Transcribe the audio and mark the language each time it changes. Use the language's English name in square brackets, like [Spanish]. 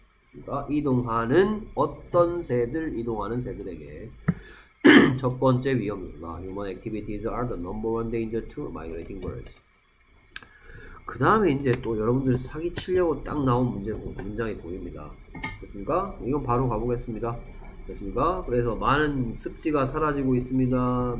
[Korean] 그러니까 이동하는 어떤 새들 이동하는 새들에게 첫 번째 위험입니다. [English] Human activities are the number one danger to migrating birds. [Korean] 그 다음에 이제 또 여러분들 사기 치려고 딱 나온 문장이 보입니다. 됐습니까? 이건 바로 가보겠습니다. 됐습니까? 그래서 많은 습지가 사라지고 있습니다.